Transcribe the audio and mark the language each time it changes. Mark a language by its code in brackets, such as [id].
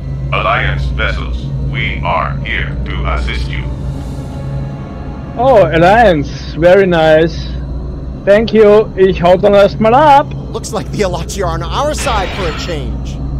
[en] Alliance Vessels, we are here to assist you. Oh, Alliance, very nice. Thank you, [de] ich hau dann erstmal ab. [en] Looks like the Alachi are on our side for a change.